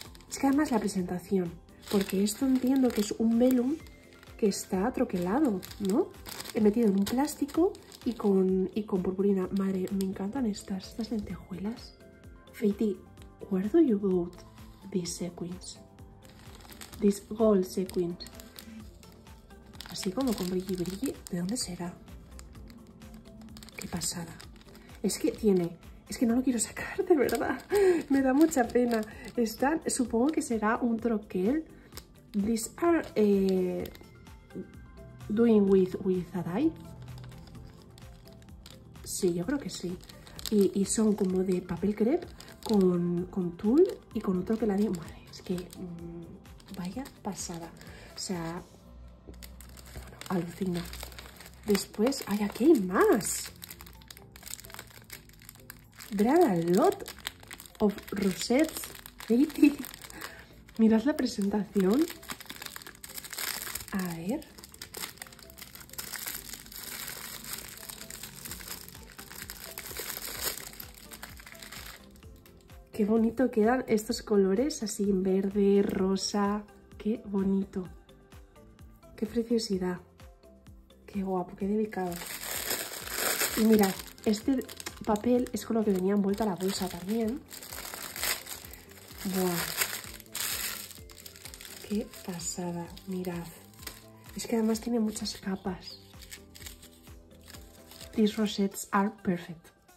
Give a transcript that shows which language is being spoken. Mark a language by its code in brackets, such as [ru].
[es] Es que además la presentación, porque esto entiendo que es un velum que está troquelado, ¿no? He metido en un plástico y con purpurina. Madre, me encantan estas lentejuelas. [en] Faiti, where do you got these sequins? These gold sequins. [es] Así como con brilli brilli, ¿de dónde será? Qué pasada. Es que no lo quiero sacar, de verdad. Me da mucha pena. Supongo que será un troquel. [en] These are doing with a dye. [es] Sí, yo creo que sí. Y son como de papel crepe con tul y con otro que la dio. Madre, es que vaya pasada. O sea, alucina. Después, ay, aquí hay más. [en] There are a lot of rosettes. [es] Katie, mirad la presentación. A ver. Qué bonito quedan estos colores así en verde, rosa. Qué bonito. Qué preciosidad. Qué guapo, qué delicado. Y mirad, este papel es con lo que venía envuelta la bolsa también. Buah. Qué pasada, mirad. Es que además tiene muchas capas. [en] These rosettes are perfect.